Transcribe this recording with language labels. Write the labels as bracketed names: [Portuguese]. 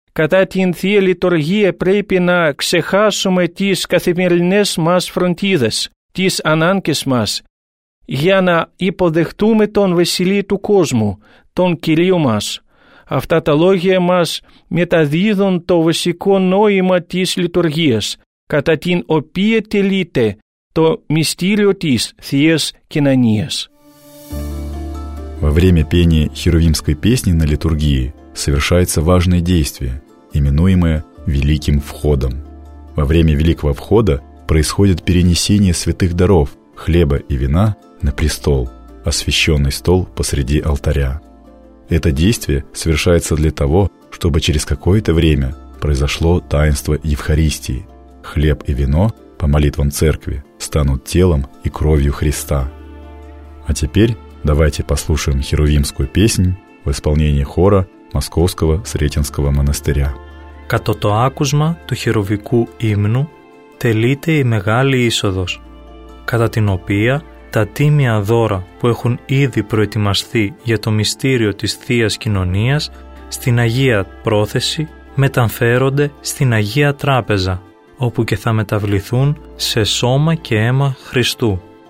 [Greek] Κατά την Θεία Λειτουργία πρέπει να ξεχάσουμε τις καθημερινές μας φροντίδες, τις ανάγκες μας, για να υποδεχτούμε τον Βασιλεί του κόσμου, τον Κυρίο μας. Αυτά τα λόγια μας μεταδίδουν το βασικό νόημα της λειτουργίας, κατά την οποία τελείται το μυστήριο της Θείας Κοινωνίας. [Russian] Во время пения херувимской песни на литургии совершается важное действие, именуемое «великим входом». Во время великого входа происходит перенесение святых даров, хлеба и вина на престол, освященный стол посреди алтаря. Это действие совершается для того, чтобы через какое-то время произошло таинство Евхаристии. Хлеб и вино, по молитвам церкви, станут телом и кровью Христа. А теперь давайте послушаем херувимскую песнь в исполнении хора Московского Сретенского монастыря. [Greek] Като то άκουσμα του χειρουβικού ύμνου τελείται η μεγάλη είσοδος, κατά την οποία τα τίμια δώρα που έχουν ήδη προετοιμαστεί για το μυστήριο της Θείας Κοινωνίας στην Αγία Πρόθεση μεταφέρονται στην Αγία Τράπεζα, όπου και θα μεταβληθούν σε σώμα και αίμα Χριστού.